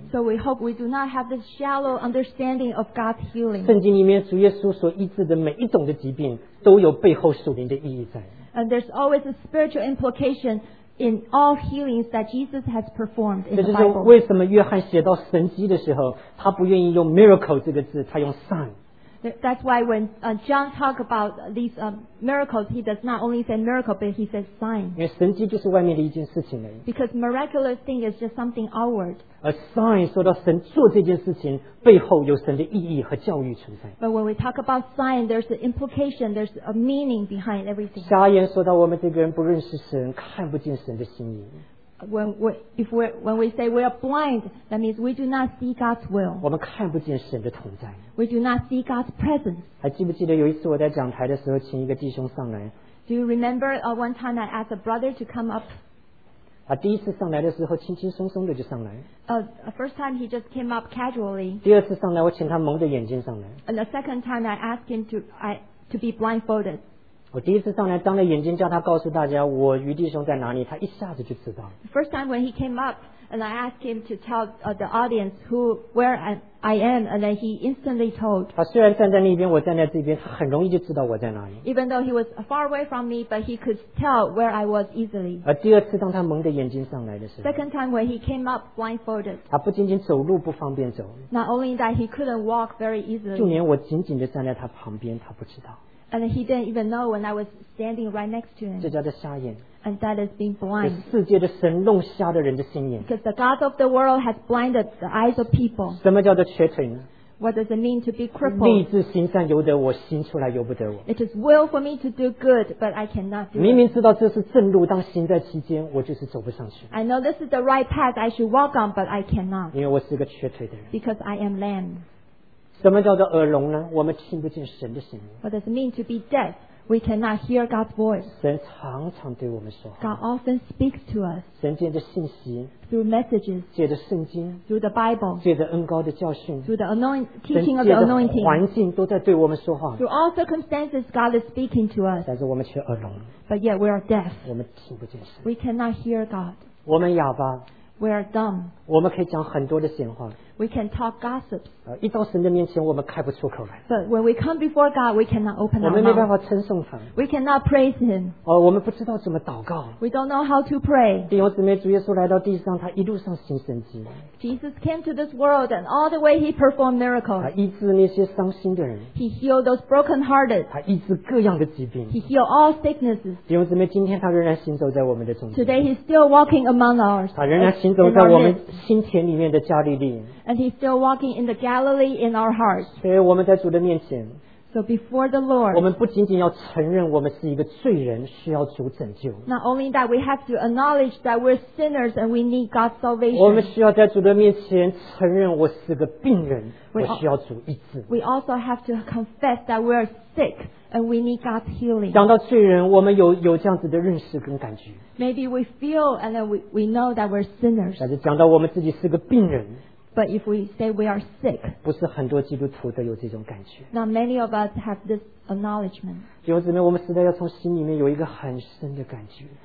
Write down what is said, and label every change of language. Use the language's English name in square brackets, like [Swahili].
[English] So we hope we do not have this shallow understanding of God's healing. [Chinese] 圣经里面主耶稣所医治的每一种的疾病，都有背后属灵的意义在。 [English] And there's always a spiritual implication in all healings that Jesus has performed in the Bible. [Chinese] 这就是为什么约翰写到神迹的时候，他不愿意用 miracle 这个字，他用 sign。 [English] That's why when John talks about these miracles, he does not only say miracle, but he says sign. [Chinese] 因为神迹就是外面的一件事情而已。 [English] Because miraculous thing is just something outward. [Chinese] A sign 说到神做这件事情, 背后有神的意义和教育存在。 [English] But when we talk about sign, there's an implication, there's a meaning behind everything. [Chinese] 瞎眼说到我们这个人不认识神, 看不见神的心意。 [English] When we say we are blind, that means we do not see God's will. We do not see God's presence. Do you remember one time I asked a brother to come up? First time he just came up casually. And the second time I asked him to be blindfolded. [Chinese] 我第一次上来张了眼睛叫他告诉大家我余弟兄在哪里，他一下子就知道了。 [English] First time when he came up and I asked him to tell the audience where I am and then he instantly told. [Chinese] 他虽然站在那边，我站在这边，他很容易就知道我在哪里。 [English] Even though he was far away from me, but he could tell where I was easily. [Chinese] 而第二次当他蒙着眼睛上来的时候， [English] Second time when he came up blindfolded. [Chinese] 他不仅仅走路不方便走， [English] Not only that, he couldn't walk very easily. [Chinese] 就连我紧紧地站在他旁边，他不知道。 [English] And he didn't even know when I was standing right next to him. [Chinese] 这叫做瞎眼。 [English] And that is being blind. [Chinese] 世界的神弄瞎的人的心眼。 [English] Because the God of the world has blinded the eyes of people. [Chinese] 什么叫做瘸腿呢？ [English] What does it mean to be crippled? It is will for me to do good, but I cannot do it. [Chinese] 明明知道这是正路，当行在其间，我就是走不上去。 [English] I know this is the right path I should walk on, but I cannot. Because I am lame. [Chinese] 什么叫做耳聋呢?我们听不见神的声音。 [English] What does it mean to be deaf? We cannot hear God's voice. [Chinese] 神常常对我们说话。 [English] God often speaks to us. [Chinese] 神借着信息。 [English] Through messages. [Chinese] 借着圣经。 [English] Through the Bible. [Chinese] 借着恩膏的教训。 [English] Through the teaching of the anointing. [Chinese] 神借着环境都在对我们说话。 [English] Through all circumstances, God is speaking to us. [Chinese] 但是我们却耳聋。 [English] But yet we are deaf. [Chinese] 我们听不见神。 [English] We cannot hear God. [Chinese] 我们哑巴。 [English] We are dumb. [Chinese] 我们可以讲很多的闲话。 [English] We can talk gossip. [Chinese] 一到神的面前，我们开不出口来。 [English] But when we come before God, we cannot open our mouth. [Chinese] 我们没办法称颂他。 [English] We cannot praise him. [Chinese] 我们不知道怎么祷告。 [English] We don't know how to pray. [Chinese] 弟兄姊妹，主耶稣来到地上，他一路上行神迹。 [English] Jesus came to this world, and all the way he performed miracles. [Chinese] 他医治那些伤心的人。 [English] He healed those brokenhearted. [Chinese] 他医治各样的疾病。 [English] He healed all sicknesses. [Chinese] 弟兄姊妹，今天他仍然行走在我们的中间。 [English] Today he's still walking among ours. [Chinese] 他仍然行走在我们心田里面的加利利。 [English] And he's still walking in the Galilee in our hearts. [Chinese] 所以我们在主的面前, [English] so before the Lord, [Chinese] 我们不仅仅要承认我们是一个罪人, 需要主拯救, [English] not only that, we have to acknowledge that we're sinners and we need God's salvation. [Chinese] 我们需要在主的面前承认我是个病人, [English] we also have to confess that we're sick and we need God's healing. [Chinese] 讲到罪人, 我们有这样子的认识跟感觉, [English] maybe we feel and then we know that we're sinners. [Chinese] 但是讲到我们自己是个病人, [English] but if we say we are sick, [Chinese] 不是很多基督徒都有这种感觉。 [English] Not many of us have this acknowledgement. [Chinese] 弟兄姊妹, 我们实在要从心里面有一个很深的感觉。